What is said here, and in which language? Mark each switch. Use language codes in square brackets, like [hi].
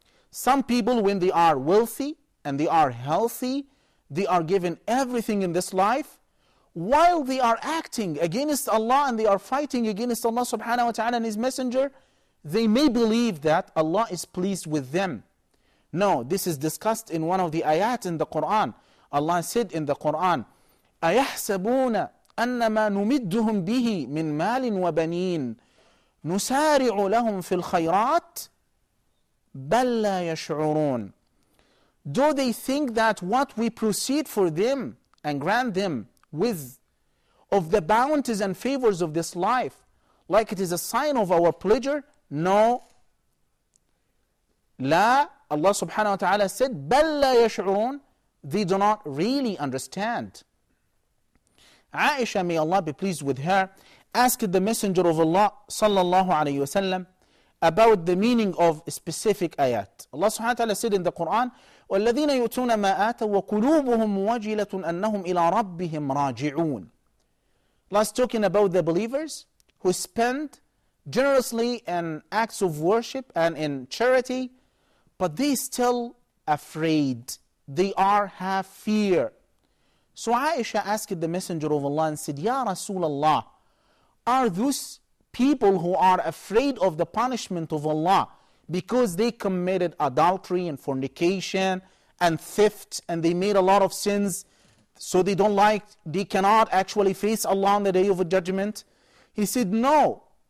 [en] Some people, when they are wealthy and they are healthy, they are given everything in this life, while they are acting against Allah and they are fighting against Allah subhanahu wa ta'ala and His Messenger, they may believe that Allah is pleased with them. No, this is discussed in one of the ayat in the Quran. Allah said in the Quran, [ar] أَيَحْسَبُونَ أَنَّمَا نُمِدُّهُمْ بِهِ مِنْ مَالٍ وَبَنِينَ نُسَارِعُ لَهُمْ فِي الْخَيْرَاتِ بَلْ لَا يَشْعُرُونَ. [en] Do they think that what we proceed for them and grant them with of the bounties and favors of this life, like it is a sign of our pleasure? No. [ar] La, Allah subhanahu wa ta'ala said, بَلْ لَا يَشْعُرُونَ. [en] They do not really understand. Aisha, may Allah be pleased with her, asked the Messenger of Allah sallallahu alayhi wa sallam about the meaning of specific ayat. [ar] Allah subhanahu wa ta'ala [en] said in the Quran, [ar] وَالَّذِينَ يُؤْتُونَ مَا آتَوا وَقُلُوبُهُمْ وَجِلَةٌ أَنَّهُمْ إِلَىٰ رَبِّهِمْ رَاجِعُونَ. [en] Last talking about the believers who spend generously in acts of worship and in charity, but they still afraid. They are have fear. So Aisha asked the Messenger of Allah and said, Ya Rasulallah, are those people who are afraid of the punishment of Allah because they committed adultery and fornication and theft and they made a lot of sins, so they don't like, they cannot actually face Allah on the day of judgment? He said, no.